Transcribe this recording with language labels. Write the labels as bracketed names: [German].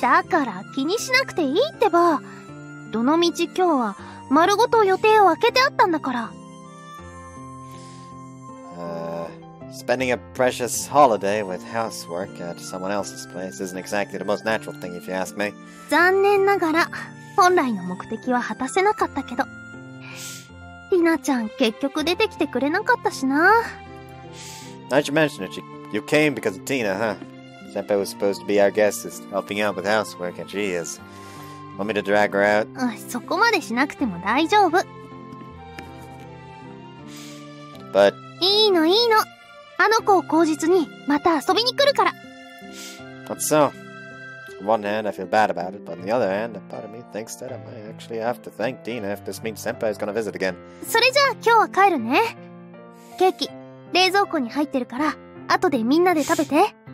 [Japanese] だから気にしなくていいってば。どのみち今日は丸ごと予定を空けてあったんだから。 [English] Spending a precious holiday with housework at someone else's place isn't exactly the most natural thing if you ask me. [Japanese] 残念ながら、本来の目的は果たせなかったけど。ティナちゃん結局出てきてくれなかったしな。 [English] Now you mention it, you came because of Tina, huh? Senpa was supposed to be our guest, is helping out with housework, and she is. Want me to drag her out? [Japanese] そこまでしなくても大丈夫。 [English] But... [Japanese] いいのいいの。あの子を口実にまた遊びに来るから。 [English] But so. On one hand, I feel bad about it, but on the other hand, a part of me thinks that I might actually have to thank Dina if this means Senpa is gonna visit again. [Japanese] それじゃあ今日は帰るね。ケーキ、冷蔵庫に入ってるから、後でみんなで食べて。